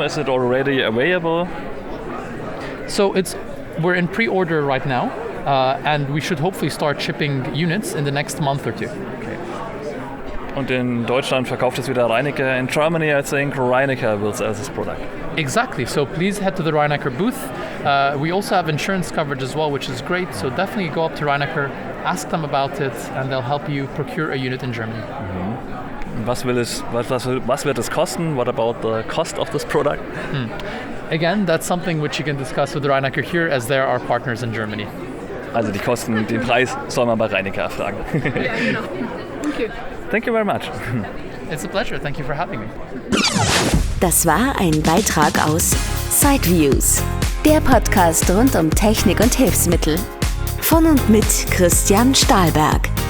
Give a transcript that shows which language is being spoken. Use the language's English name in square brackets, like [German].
[English] Is it already available? So it's we're in pre-order right now. And we should hopefully start shipping units in the next month or two. Okay. [German] Und in Deutschland verkauft es wieder Reinecker. [English] In Germany, I think Reinecker will sell this product. Exactly. So please head to the Reinecker booth. We also have insurance coverage as well, which is great. So definitely go up to Reinecker, ask them about it, and they'll help you procure a unit in Germany. [German] Mm-hmm. Was wird es kosten? [English] What about the cost of this product? Again, that's something which you can discuss with Reinecker here, as they're our partners in Germany. [German] Also die Kosten, den Preis soll man bei Reinecker fragen. [English] Thank you very much. It's a pleasure. Thank you for having me. [German] Das war ein Beitrag aus Sideviews, der Podcast rund um Technik und Hilfsmittel von und mit Christian Stahlberg.